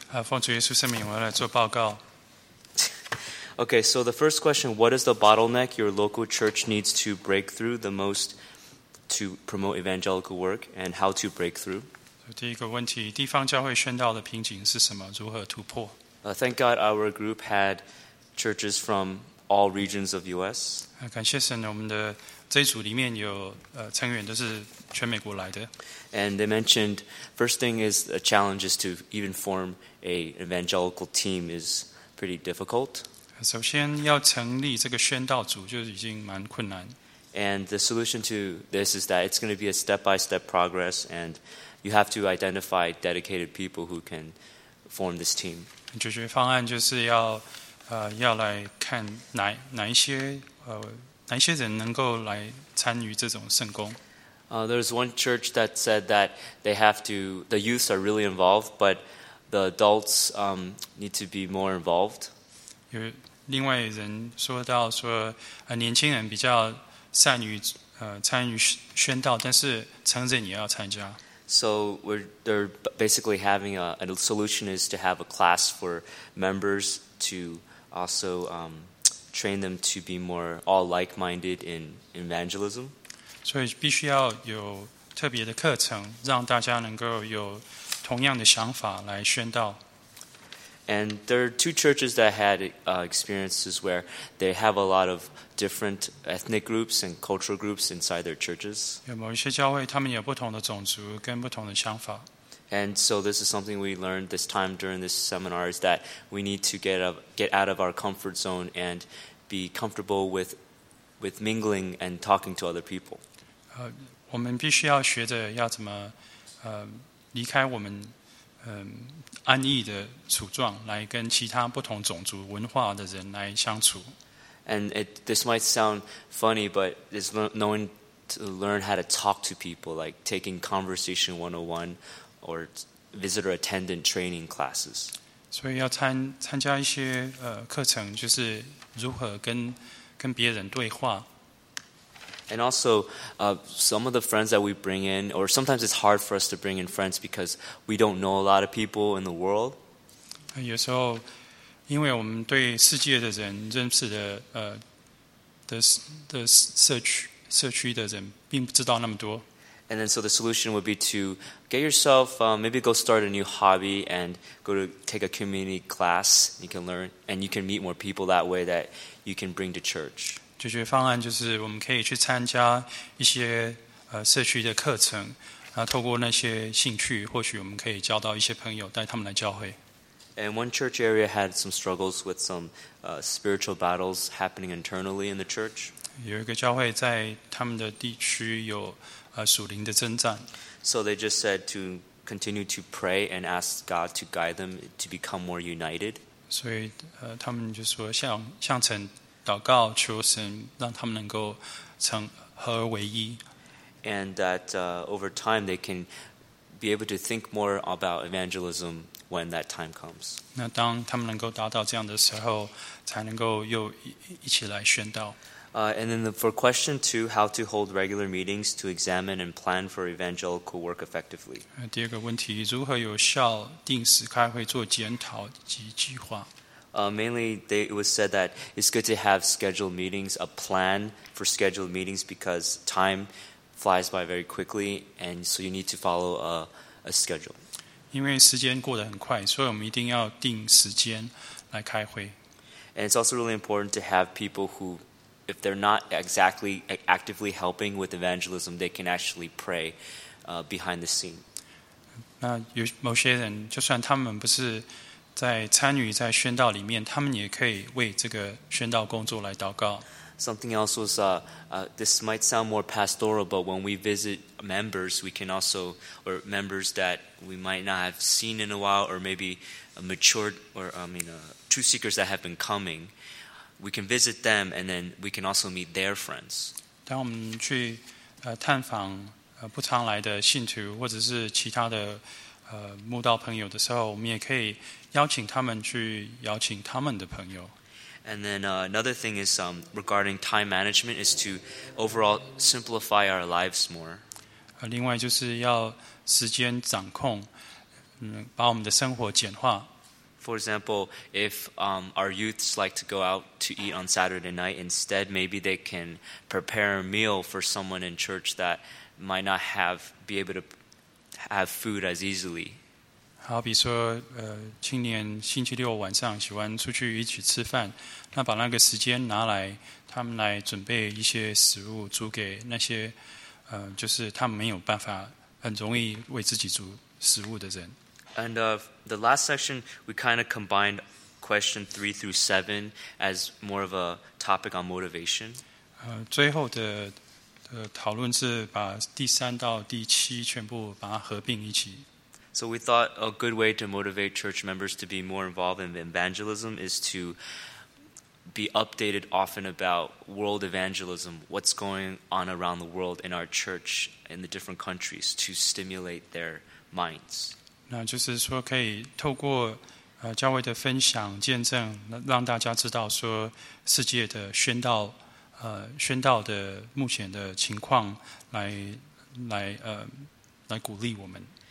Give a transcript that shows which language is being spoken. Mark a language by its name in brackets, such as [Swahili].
[Chinese] 奉主耶稣圣名，我要来做报告。 [English] Okay, so the first question, what is the bottleneck your local church needs to break through the most to promote evangelical work and how to break through? [Chinese] 第一个问题，地方教会宣道的瓶颈是什么？如何突破？ [English] Thank God our group had churches from... All regions of U.S. [Chinese] 感谢神，我们的这一组里面有成员都是全美国来的。 [English] And they mentioned first thing is a challenge is to even form a evangelical team is pretty difficult. [Chinese] 首先要成立这个宣道组就已经蛮困难。 [English] And the solution to this is that it's going to be a step by step progress, and you have to identify dedicated people who can form this team. [Chinese] 解决方案就是要。要来看哪一些人能够来参与这种圣工。 [English] There's one church that said that they have to, the youths are really involved, but the adults need to be more involved. [Chinese] 有另外人说到说，年轻人比较善于参与宣道，但是成人也要参加。 [English] So they're basically having a solution is to have a class for members to. Also, train them to be more all like-minded in evangelism. [Chinese] So, 必须要有特别的课程，让大家能够有同样的想法来宣道。 [English] And there are two churches that had experiences where they have a lot of different ethnic groups and cultural groups inside their churches. [Chinese] 有某一些教会，他们有不同的种族跟不同的想法。 [English] And so this is something we learned this time during this seminar is that we need to get out of our comfort zone and be comfortable with mingling and talking to other people. [Chinese] 我们必须要学着要怎么离开我们安逸的处状，来跟其他不同种族文化的人来相处。 [English] And this might sound funny, but it's knowing to learn how to talk to people, like taking conversation 101. Or visitor attendant training classes. [Chinese] So, 要参加一些课程，就是如何跟别人对话。 [English] And also, some of the friends that we bring in, or sometimes it's hard for us to bring in friends because we don't know a lot of people in the world. [Chinese] 有时候，因为我们对世界的人认识的的社区的人，并不知道那么多。 [English] And then, so the solution would be to get yourself, maybe go start a new hobby and go to take a community class. You can learn, and you can meet more people that way that you can bring to church. [Chinese] 解决方案就是我们可以去参加一些社区的课程，然后透过那些兴趣，或许我们可以交到一些朋友，带他们来教会。 [English] And one church area had some struggles with some spiritual battles happening internally in the church. [Chinese] 有一个教会在他们的地区有属灵的征战。 [English] So they just said to continue to pray and ask God to guide them to become more united. [Chinese] 所以他们就说向神祷告，求神让他们能够成合而为一。 [English] And that over time they can be able to think more about evangelism when that time comes. [Chinese] 那当他们能够达到这样的时候，才能够又一起来宣道。 [English] And then for question two, how to hold regular meetings to examine and plan for evangelical work effectively. [Chinese] 第二个问题，如何有效定时开会做检讨及计划？ [English] Mainly, it was said that it's good to have scheduled meetings, a plan for scheduled meetings, because time flies by very quickly, and so you need to follow a schedule. [Chinese] 因为时间过得很快，所以我们一定要定时间来开会。 [English] And it's also really important to have people who, if they're not exactly actively helping with evangelism, they can actually pray behind the scene. [Chinese] 那有某些人，就算他们不是在参与在宣道里面，他们也可以为这个宣道工作来祷告。 [English] Something else was, this might sound more pastoral, but when we visit members, we can also, or members that we might not have seen in a while, or maybe matured, or I mean, truth seekers that have been coming, we can visit them, and then we can also meet their friends. [Chinese] 当我们去探访不常来的信徒，或者是其他的慕道朋友的时候，我们也可以邀请他们去邀请他们的朋友。 [English] And then another thing is regarding time management is to overall simplify our lives more. [Chinese] 另外就是要时间掌控，把我们的生活简化。 [English] For example, if our youths like to go out to eat on Saturday night, instead maybe they can prepare a meal for someone in church that might not be able to have food as easily. [Chinese] 好比说青年星期六晚上喜欢出去一起吃饭，那把那个时间拿来他们来准备一些食物煮给那些就是他们没有办法很容易为自己煮食物的人。 [English] And the last section we kind of combined question 3 through 7 as more of a topic on motivation. [Chinese] 最后的讨论是把第三到第七全部把它合并一起。 [English] So we thought a good way to motivate church members to be more involved in evangelism is to be updated often about world evangelism, what's going on around the world in our church, in the different countries, to stimulate their minds. [Chinese] 那就是说可以透过教会的分享见证，让大家知道说世界的宣道的目前的情况，来鼓励我们。